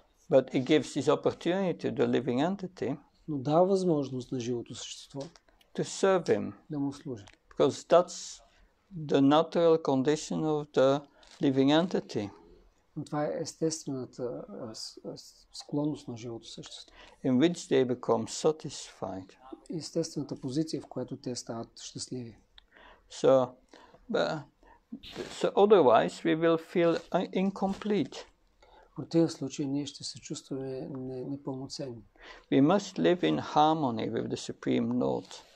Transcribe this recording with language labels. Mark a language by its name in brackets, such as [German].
[English] But he gives his opportunity to the living entity. [Bulgarian] Но дава възможност на живото същество. [English] To serve him. [Bulgarian] Да му служи. [English] Because that's the natural condition of the living entity. [Bulgarian] Но това е естествената склонност на живото същество. [English] In which they become satisfied. [Bulgarian] Естествената позиция, в която те стават щастливи. [English] So otherwise we will feel incomplete. [Bulgarian] В противен случай ние ще се чувстваме непълноценни. [English] We must live in harmony with the Supreme Lord.